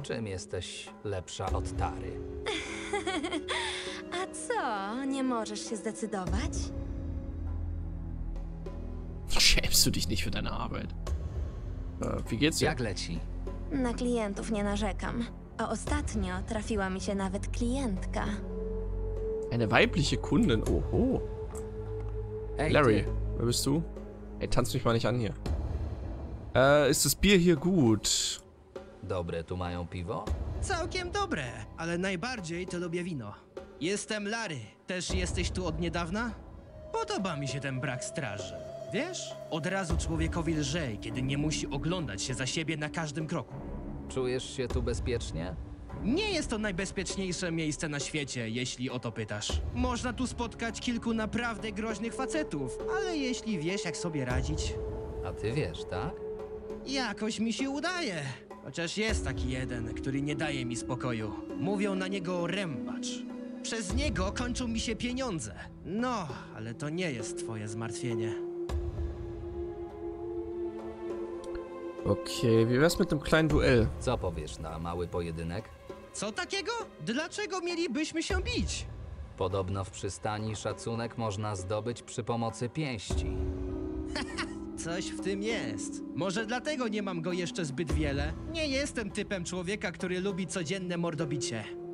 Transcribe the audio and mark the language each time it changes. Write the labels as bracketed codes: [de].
[pl] Czym jesteś lepsza od Tary? A co? Nie. nie możesz się zdecydować? [de] Schämst du dich nicht für deine Arbeit? Wie geht's dir? [pl] Jak leci? Na klientów nie narzekam. A ostatnio trafiła mi się nawet klientka. [de] Eine weibliche Kundin, oho. Hey, Larry, wer bist du? Ey, tanz mich mal nicht an hier. Ist das Bier hier gut? [pl] Dobre, tu mają piwo? Całkiem dobre, ale najbardziej to lubię wino. Jestem Larry, też jesteś tu od niedawna? Podoba mi się ten brak straży. Wiesz, od razu człowiekowi lżej, kiedy nie musi oglądać się za siebie na każdym kroku. Czujesz się tu bezpiecznie? Nie jest to najbezpieczniejsze miejsce na świecie, jeśli o to pytasz. Można tu spotkać kilku naprawdę groźnych facetów, ale jeśli wiesz, jak sobie radzić... A ty wiesz, tak? Jakoś mi się udaje. Chociaż jest taki jeden, który nie daje mi spokoju. Mówią na niego Rębacz. Przez niego kończą mi się pieniądze. No, ale to nie jest twoje zmartwienie. [de] Okej, wie wär's mit dem kleinen Duell? [pl] Co powiesz na mały pojedynek? Co takiego? Dlaczego mielibyśmy się bić? Podobno w przystani szacunek można zdobyć przy pomocy pięści. Coś w tym jest. Może dlatego nie mam go jeszcze zbyt wiele? Nie jestem typem człowieka, który lubi codzienne mordobicie.